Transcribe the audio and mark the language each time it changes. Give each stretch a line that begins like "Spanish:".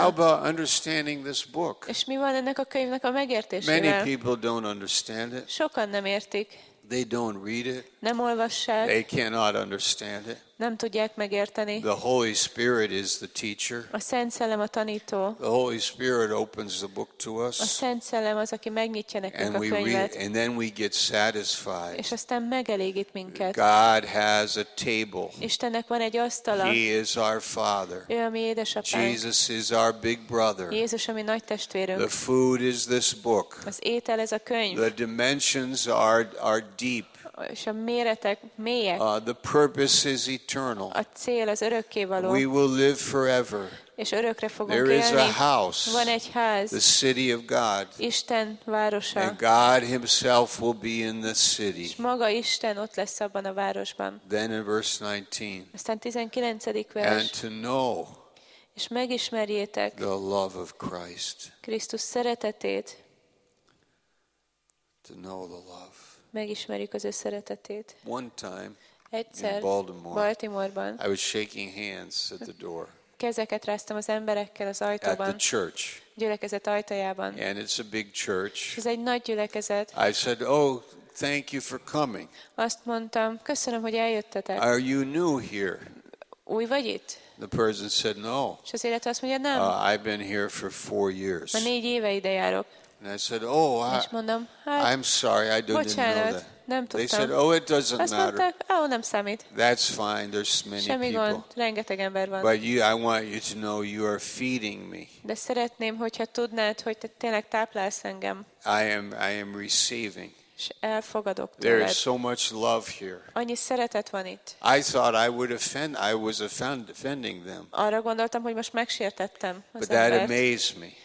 English: How about understanding this book?
Hungarian: És mi van ennek a könyvnek a megértésével?
English: Many people don't understand it.
Hungarian: Sokan nem értik.
English: They don't read it.
Hungarian: Nem olvassák.
English: They cannot understand it.
Hungarian: Nem tudják megérteni.
English: The Holy Spirit is the teacher.
Hungarian: A Szent Szellem a tanító.
English: The Holy Spirit opens the book to us.
Hungarian: A Szent Szellem az, aki megnyitja nekünk a könyvet.
English: And then we get satisfied.
Hungarian: És aztán megelégít minket.
English: God has a table.
Hungarian: Istennek van egy asztala.
English: He is our Father.
Hungarian: Ő a mi édesapánk.
English: Jesus is our big brother.
Hungarian: Jézus a mi nagy testvérünk.
English: The food is this book.
Hungarian: Az étel ez a könyv.
English: The dimensions are deep.
Hungarian: És a méretek mélyek.
English: The purpose is eternal.
Hungarian: A cél az örökkévaló.
English: We will live forever.
Hungarian: És örökre fogunk élni.
English: There is a house.
Hungarian: Van egy ház.
English: The city of God.
Hungarian: Isten városa.
English: And God himself will be in the city.
Hungarian: És maga Isten ott lesz abban a városban.
English: Then in verse 19.
Hungarian: Aztán 19. vers.
English: And to know.
Hungarian: És megismerjétek.
English: The love of Christ.
Hungarian: Krisztus szeretetét.
English: To know the love.
Hungarian: Megismerjük az ő szeretetét.
English: One time,
Hungarian: egyszer,
English: in Baltimore-ban, I was shaking hands at the door.
Hungarian: Kezeket ráztam az emberekkel az ajtóban.
English: At the church.
Hungarian: Gyülekezet ajtajában.
English: And it's a big church.
Hungarian: Ez egy nagy gyülekezet.
English: I said, "Oh, thank you for coming."
Hungarian: Azt mondtam, köszönöm, hogy eljöttetek.
English: Are you new here?
Hungarian: Új vagy itt?
English: The person said, "No."
Hungarian: És az élet azt mondja, nem.
English: I've been here for 4 years.
Hungarian: Már 4 éve ide járok.
English: And I said, "Oh, I'm sorry, I didn't know that."
Hungarian: Nem tudtam.
English: They said, "Oh, it doesn't matter."
Hungarian: Azt mondták, "Oh, nem számít."
English: That's fine. There's many people.
Hungarian: Semmi gond, rengeteg ember van.
English: But I want you to know, you are feeding me.
Hungarian: De szeretném, hogyha tudnád, hogy te tényleg táplálsz engem.
English: I am receiving.
Hungarian: És elfogadok tőled.
English: There is so much love here.
Hungarian: Annyi szeretet van itt.
English: I thought I would offend. I was offending them.
Hungarian: Arra gondoltam, hogy most megsértettem.
English: But that amazed me.